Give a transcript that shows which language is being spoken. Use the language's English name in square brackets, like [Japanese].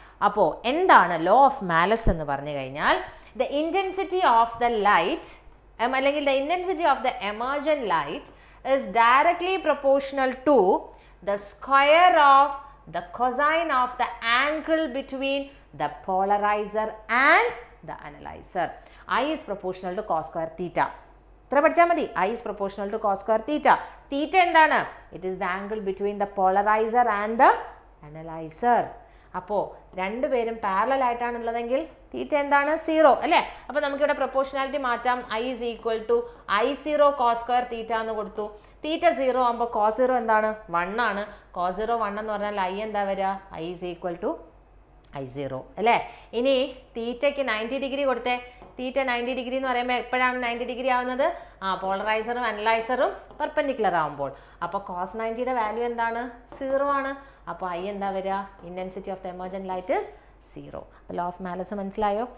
[Malayalam] അപ്പോൾ എന്താണ് law of Marles എന്ന് പറഞ്ഞു കഴിഞ്ഞാൽ, [English] the intensity of the light [Malayalam] അല്ലെങ്കിൽ [English] The intensity of the emergent light is directly proportional to the square of the cosine of the angle between the polariser and the analyser. I is proportional to cos square theta. [Malayalam] ഇത്ര പഠിച്ചാൽ മതി. [English] I is proportional to cos square theta. Theta [Malayalam] എന്താണ്? [English] It is the angle between the polarizer and the analyzer. [Malayalam] അപ്പോൾ രണ്ടുപേരും parallel ആയിട്ടാണ് ഉള്ളതെങ്കിൽ തീറ്റ എന്താണ്? Zero അല്ലേ. അപ്പോൾ നമുക്കിവിടെ പ്രൊപ്പോർഷണാലിറ്റി മാറ്റാം. [English] I is equal to I zero cos square theta [Malayalam] എന്ന് കൊടുത്തു. തീറ്റ സീറോ ആകുമ്പോൾ cos സീറോ എന്താണ്? വൺ ആണ്. cos സീറോ വൺ എന്ന് പറഞ്ഞാൽ I എന്താ വരിക? [English] I is equal to I zero [Malayalam] അല്ലേ. ഇനി തീറ്റയ്ക്ക് 90 ഡിഗ്രി കൊടുത്തേ. തീറ്റ 90 ഡിഗ്രി എന്ന് പറയുമ്പോൾ എപ്പോഴാണ് 90 ഡിഗ്രി ആവുന്നത്? ആ പോളറൈസറും അനലൈസറും പെർപെൻഡിക്കുലർ ആകുമ്പോൾ. അപ്പോൾ കോസ് 90 വാല്യൂ എന്താണ്? സീറോ ആണ്. അപ്പോൾ ഐ എന്താ വരിക? [English] Intensity of the emergent light is zero. [Malayalam] അപ്പോൾ ലോ ഓഫ് മാലസ് മനസ്സിലായോ?